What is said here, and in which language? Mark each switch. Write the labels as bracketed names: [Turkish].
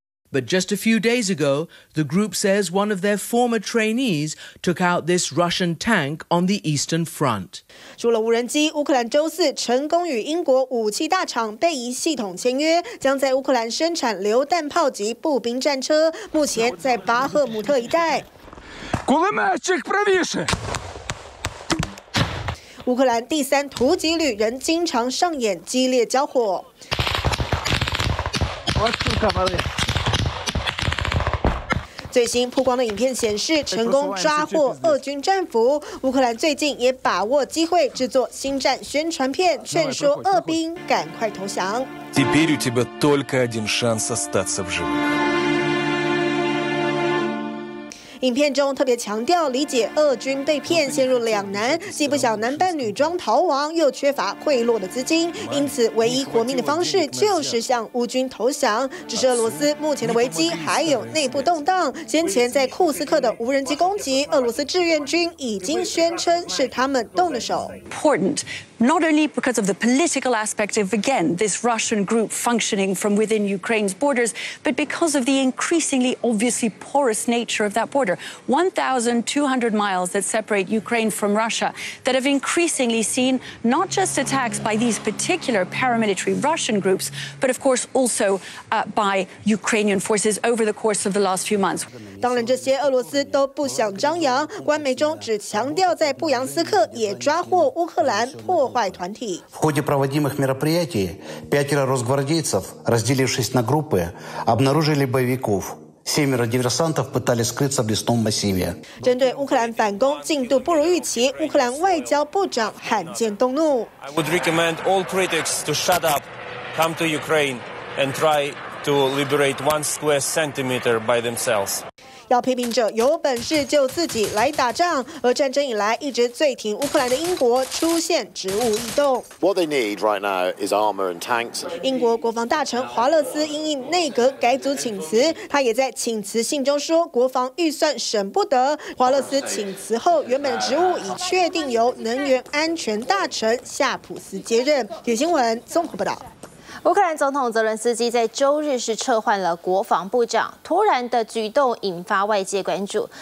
[English] But just a few days ago, the group says one of their former trainees took out this Russian tank on the Eastern Front. [Chinese] 除了无人机，乌克兰周四成功与英国武器大厂贝仪系统签约，将在乌克兰生产榴弹炮及步兵战车，目前在巴赫姆特一带。 [Ukrainian] Кулеметчик правіше! [Chinese] 乌克兰第三突击旅仍经常上演激烈交火。最新曝光的影片显示，成功抓获俄军战俘。乌克兰最近也把握机会制作星战宣传片，劝说俄兵赶快投降。 [Russian] Теперь у тебя только один шанс остаться в живых。 [Chinese] 影片中特别强调理解俄军被骗陷入两难，既不想男扮女装逃亡，又缺乏贿赂的资金，因此唯一活命的方式就是向乌军投降。只是俄罗斯目前的危机还有内部动荡，先前在库斯克的无人机攻击，俄罗斯志愿军已经宣称是他们动的手。 [English] Important, not only because of the political aspect of again this Russian group functioning from within Ukraine's borders, but because of the increasingly obviously porous nature of that border. 1,200 miles that separate Ukraine from Russia that have increasingly seen not just attacks by these particular paramilitary Russian groups, but of course also by Ukrainian forces over the course of the last few months. [Chinese] 当然，这些俄罗斯都不想张扬，官媒中只强调在布扬斯克也抓获乌克兰破坏团体。 [Russian] В ходе проводимых мероприятий пятеро росгвардейцев, разделившись на группы, обнаружили боевиков. Семеро диверсантов пытались скрыться в лесном массиве. [Chinese] 针对乌克兰反攻进度不如预期，乌克兰外交部长罕见动怒。 [English] I would recommend all critics to shut up, come to Ukraine, and try to liberate one square centimeter by themselves. [Chinese] 要批评者有本事就自己来打仗，而战争以来一直最挺乌克兰的英国出现植物异动。 [English] What they need right now is armor and tanks. [Chinese] 英国国防大臣华勒斯因应内阁改组请辞，他也在请辞信中说国防预算省不得。华勒斯请辞后，原本的职务已确定由能源安全大臣夏普斯接任。铁新闻综合报道。乌克兰总统泽连斯基在周日是撤换了国防部长，突然的举动引发外界关注。